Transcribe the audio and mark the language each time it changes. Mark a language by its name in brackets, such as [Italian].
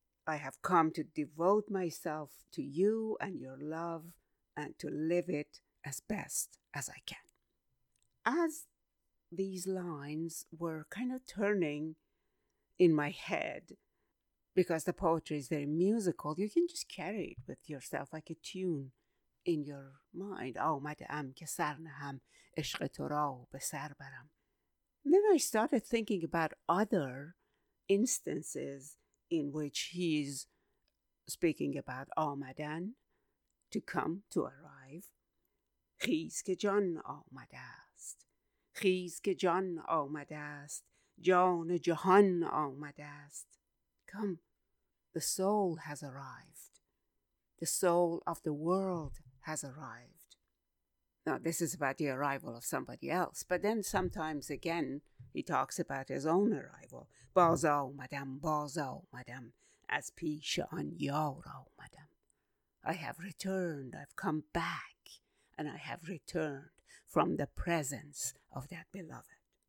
[English] I have come to devote myself to you and your love and to live it as best as I can. As these lines were kind of turning in my head, because the poetry is very musical, you can just carry it with yourself like a tune in your mind. [Persian] آمدم که سرنهم عشق تو را به سر برم. [English] Then I started thinking about other instances in which he's speaking about آمدن, to come, to arrive. [Persian] خیز که جان آمده است. خیز که جان آمده است. جان جهان آمده است. [English] Come, the soul has arrived. The soul of the world has arrived. Now, this is about the arrival of somebody else, but then sometimes again, he talks about his own arrival. [Persian] باز آمدم, باز آمدم, از پیش آن یار آمدم. [English] I have returned, I've come back, and I have returned from the presence of that beloved.